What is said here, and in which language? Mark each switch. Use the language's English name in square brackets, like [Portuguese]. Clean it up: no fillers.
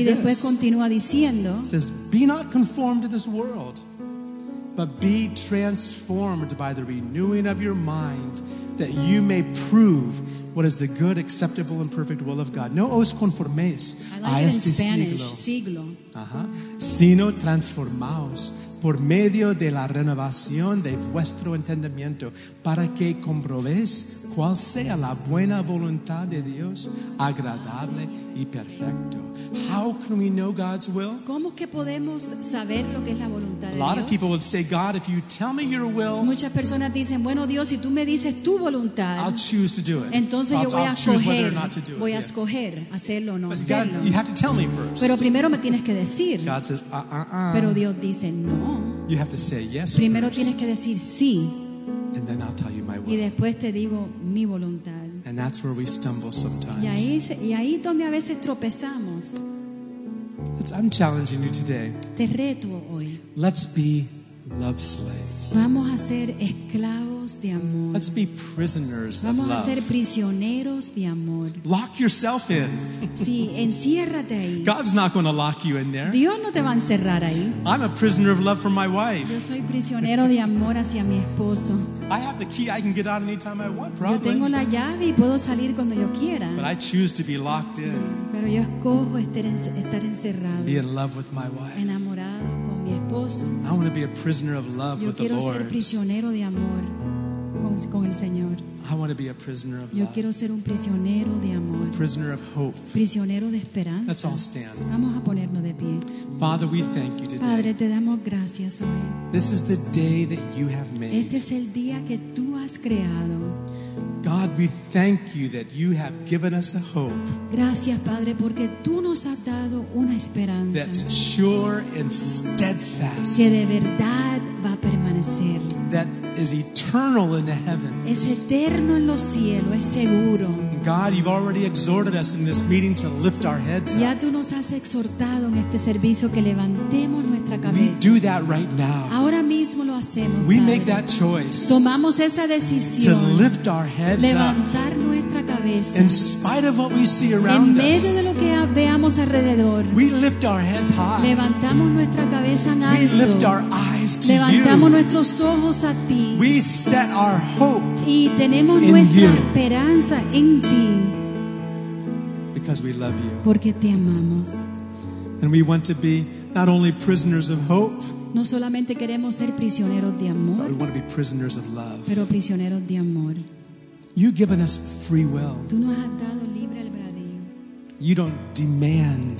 [Spanish] y después [English] this. [Spanish] Continúa diciendo, [English] says, be not conformed to this world, but be transformed by the renewing of your mind, that you may prove what is the good, acceptable, and perfect will of God. [Spanish] No os conforméis a este siglo. Sino transformaos por medio de la renovación de vuestro entendimiento, para que comprobéis cuál sea la buena voluntad de Dios, agradable y perfecto. [English] How can we know God's will? [Spanish] ¿Cómo que podemos saber lo que es la voluntad de Dios? [English] A lot of people would say, God, if you tell me your will, [Spanish] muchas personas dicen, bueno, Dios, si tú me dices tu voluntad, [English] I'll choose to do it. [Spanish] Entonces [English] I'll, [Spanish] yo voy [English] I'll [Spanish] a [English] choose [Spanish] escoger, [English] whether or not to do it. [Spanish] Voy a escoger hacerlo o no [English] but [Spanish] hacerlo. [English] God, you have to tell me first. [Spanish] Pero primero me tienes que decir. [English] God says, [Spanish] Pero Dios dice, no. [English] You have to say yes. [Spanish] Primero [English] first. [Spanish] Tienes que decir sí. [English] And then I'll tell you my will. [Spanish] Y después te digo mi voluntad. [English] And that's where we stumble sometimes. [Spanish] Y ahí donde a veces tropezamos. [English] I'm challenging you today. [Spanish] Te reto hoy. [English] Let's be love slaves. [Spanish] Vamos a ser esclavos de amor. [English] Let's be prisoners [Spanish] Vamos [English] of love. [Spanish] Vamos a ser prisioneros de amor. [English] Lock yourself in. [Spanish] Sí, enciérrate ahí. [English] God's not going to lock you in there. [Spanish] Dios no te va a encerrar ahí. [English] I'm a prisoner of love for my wife. [Spanish] Yo soy prisionero de amor hacia mi esposo. [English] I have the key. I can get out anytime I want, probably. [Spanish] Yo tengo la llave y puedo salir cuando yo quiera. [English] But I choose to be locked in. [Spanish] Pero yo escojo estar encerrado. [English] Be in love with my wife. [Spanish] Enamorado con mi esposo. [English] I want to be a prisoner of love [Spanish] yo [English] with the Lord. [Spanish] Yo quiero ser prisionero de amor con el Señor. [English] I want to be a prisoner of [Spanish] yo [English] love. [Spanish] Yo quiero ser un prisionero de amor. [English] A prisoner of hope. [Spanish] Prisionero de esperanza. [English] Let's all stand. [Spanish] Vamos a ponernos de pie. [English] Father, we thank you today. [Spanish] Padre, te damos gracias hoy. [English] This is the day that you have made. [Spanish] Este es el día que tú has creado. [English] God, we thank you that you have given us a hope. [Spanish] Gracias, Padre, porque tú nos has dado una esperanza. [English] That's sure and steadfast. [Spanish] Que de verdad va a permanecer. [English] That is eternal in the heavens. [Spanish] Es eterno en los cielos, es seguro. [English] God, you've already exhorted us in this meeting to lift our heads [Spanish] ya [English] up. [Spanish] Ya tú nos has exhortado en este servicio que levantemos nuestra cabeza. [English] We do that right now. [Spanish] Ahora mismo lo hacemos. [English] We [Spanish] Padre. [English] Make that choice. [Spanish] Tomamos esa decisión. [English] To lift our heads [Spanish] levantar [English] up. [Spanish] Nuestra cabeza. [English] In spite of what we see around us. [Spanish] En medio de lo que veamos alrededor. [English] We lift our heads high. [Spanish] Levantamos nuestra cabeza en alto. [English] We lift our eyes to [Spanish] levantamos [English] you. [Spanish] Nuestros ojos a ti. [English] We set our hope. [Spanish] Y tenemos nuestra esperanza en ti. [English] Because we love you. [Spanish] Porque te amamos. [English] And we want to be not only prisoners of hope. [Spanish] No solamente queremos ser prisioneros de amor. [English] But we want to be prisoners of love. [Spanish] Pero prisioneros de amor. [English] You've given us free will. [Spanish] Tú nos has dado libre albedrío. [English] You don't demand